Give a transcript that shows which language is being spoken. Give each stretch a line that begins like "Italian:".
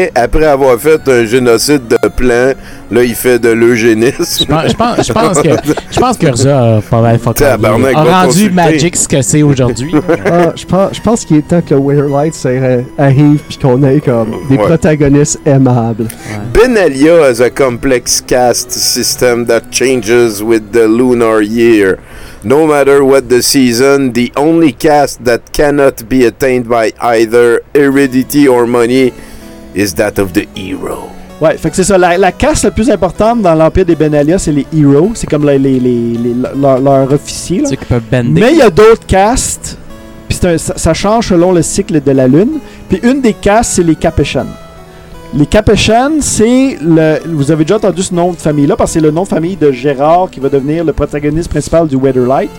French: Après avoir fait un génocide de plan, là, il fait de l'eugénisme. Je pense que Urza a pas mal fucké. Tabarnak, a rendu Magic ce que c'est aujourd'hui. Je pense qu'il est temps que Weirlight arrive et qu'on ait comme des protagonistes aimables. Ouais.
English: Benalia has a complex caste system that changes with the lunar year. No matter what the season, the only caste that cannot be attained by either heredity or money is that of the hero.
French: Ouais, fait que c'est ça. La caste la plus importante dans l'Empire des Benalia, c'est les heroes. C'est comme leur officier. Ceux qui peuvent bender. Mais il y a d'autres castes. Puis ça change selon le cycle de la lune. Puis une des castes, c'est les Capuchin. Les Capuchin, c'est le. Vous avez déjà entendu ce nom de famille-là, parce que c'est le nom de famille de Gérard qui va devenir le protagoniste principal du Weatherlight.